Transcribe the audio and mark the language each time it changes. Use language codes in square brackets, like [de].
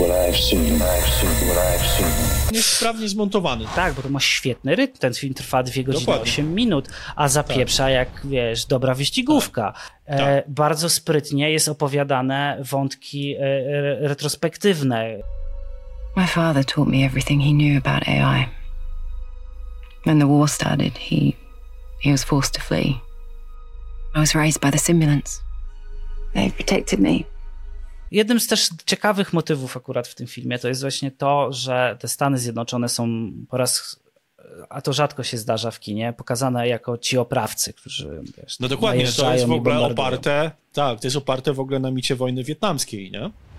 [en] what I've seen, [pl] Jest sprawnie zmontowany. Tak, bo to ma świetny rytm. Ten film trwa 2 godziny Dokładnie. 8 minut, a zapieprza tak. Jak, wiesz, dobra wyścigówka. Tak. Bardzo sprytnie jest opowiadane wątki retrospektywne. [en] My father taught me everything he knew about AI. When the war started, he was forced to flee. I was raised by the simulants. They protected me. [pl] Jednym z też ciekawych motywów akurat w tym filmie to jest właśnie to, że te Stany Zjednoczone są po raz, a to rzadko się zdarza w kinie, pokazane jako ci oprawcy, którzy, wiesz, no dokładnie, to jest w ogóle oparte, tak, to jest oparte w ogóle na micie wojny wietnamskiej, nie?